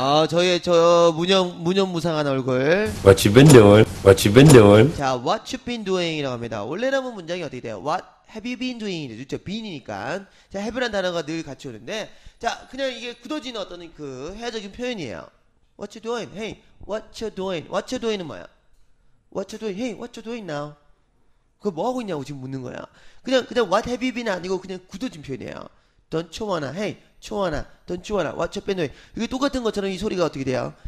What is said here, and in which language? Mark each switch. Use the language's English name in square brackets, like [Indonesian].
[Korean] 저희의 저 무념무상한 얼굴. [English] What you been doing? What you been doing? [Korean] 자, [English] what you been doing? [Korean] 이라고 합니다. 원래라면 문장이 어떻게 돼요? [English] What have you been doing? [Korean] 그렇죠? been이니까. 자, have란 단어가 늘 같이 오는데. 자, 그냥 이게 굳어진 어떤 그 회화적인 표현이에요. [English] What you doing? Hey, what you doing? What you doing은 [Korean] 뭐야? [English] What you doing? Hey, what you doing now? [Korean] 그거 뭐 하고 있냐고 지금 묻는 거야. [English] 그냥 what have you been [Korean] 아니고 그냥 굳어진 표현이에요. [English] Don't you wanna? Hey, you wanna? Don't you wanna? What you been doing? [Korean] 이게 똑같은 것처럼 이 소리가 어떻게 돼요?